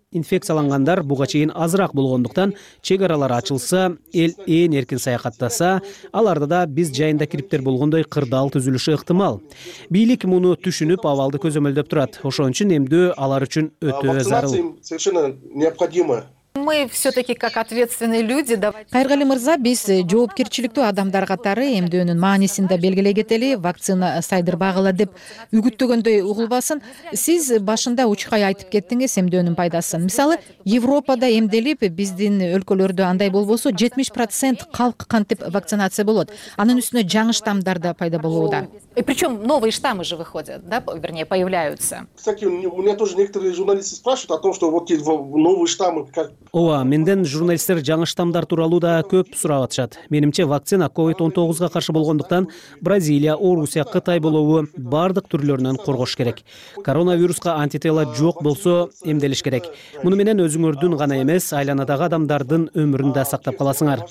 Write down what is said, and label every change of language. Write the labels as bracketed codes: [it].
[ky] Инфекциялангандар буга чейин азыраак болгондуктан, чек аралары ачылса, эл эн эркин саякаттаса, аларда да биз жайында кириптер болгондой кырдаал түзүлүшү ыктымал. Бийлик муну түшүнүп, абалды көзөмөлдөп турат. Ошон үчүн эмдөө алар үчүн өтө зарыл. [ru] Мы все-таки как ответственные люди. [ky] Кайргали Мырза, биз жоопкерчиликтүү адамдар катары эмдөөнүн маанисин да белгилей кетели, вакцина сайдырбагыла деп үгүттөгөндөй угулбасын. Сиз башында учкай айтып кеттиңиз эмдөөнүн пайдасын. Мисалы, Европада эмделип, биздин өлкөлөрдө андай болбосо 70% калк кантип вакцинация болот. Анын үстүнө жаңы штамдар да пайда болууда. [ru] И причем новые штаммы же выходят, да, вернее, появляются. Кстати, у меня тоже некоторые журналисты спрашивают о том, что вот эти новые штаммы... [ky] Ова, менден журналисттер жаңы штамдар тууралуу да көп сурап атышат. Менимче, вакцина COVID-19 каршы болгондуктан Бразилия, Орусия, Кытай болобу бардык түрлөрүнөн коргош керек. Коронавируска антитела жок болсо эмделиш керек. Муну менен өзүңөрдүн гана эмес, айланадагы адамдардын өмүрүн да сактап каласыңар.